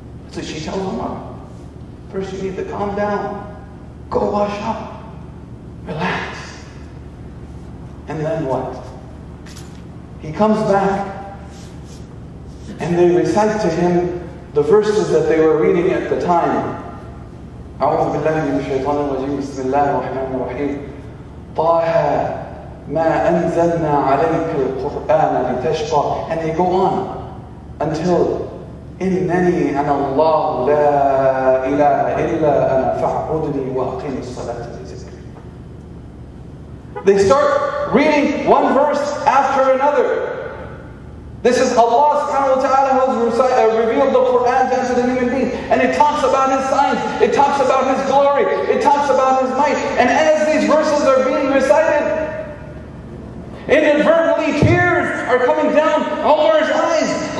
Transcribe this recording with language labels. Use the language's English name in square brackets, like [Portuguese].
[English] So she tells him, first you need to calm down. Go wash up. Relax. And then what? He comes back and they recite to him the verses that they were reading at the time. [Arabic] أعوذ بالله من الشيطان الرجيم بسم الله الرحمن الرحيم طه ما أنزلنا عليك القرآن لتشقى. [English] And they go on until [Arabic] إنني أنا الله لا إله إلا أنا فاعبدني وأقم الصلاة لذكري. [English] They start reading one verse after another. This is Allah subhanahu wa ta'ala who's revealed the Quran to the human being. And it talks about His signs, it talks about His glory, it talks about His might. And as these verses are being recited, inadvertently tears are coming down Omar's eyes.